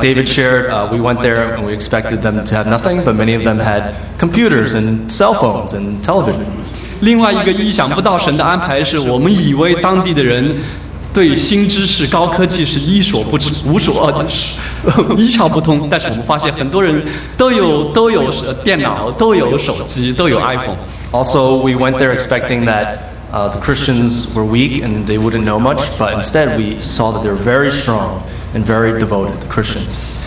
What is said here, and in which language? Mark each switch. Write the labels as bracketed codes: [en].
[en] David shared, we went there and we expected them to have nothing, but many of them had computers and cell phones and television. [zh] 另外一个意想不到神的安排是我们以为当地的人对新知识、高科技是一窍不通，但是我们发现很多人都有电脑、都有手机、都有 iPhone. [en] Also, we went there expecting that the Christians were weak and they wouldn't know much, but instead we saw that they're very strong and very devoted, the Christians.